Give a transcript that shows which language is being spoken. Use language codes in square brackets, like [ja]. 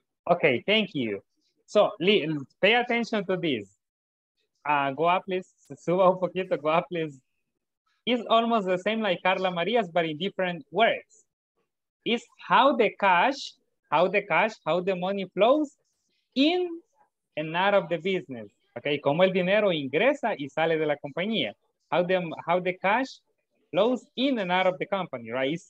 [en] Okay, thank you. So, pay attention to this. Go up, please. [es] Suba un poquito, [en] go up, please. It's almost the same like Carla Maria's, but in different words. It's how the money flows in and out of the business. [es] Okay, como el dinero ingresa y sale de la compañía. [en] How the cash flows in and out of the company, right?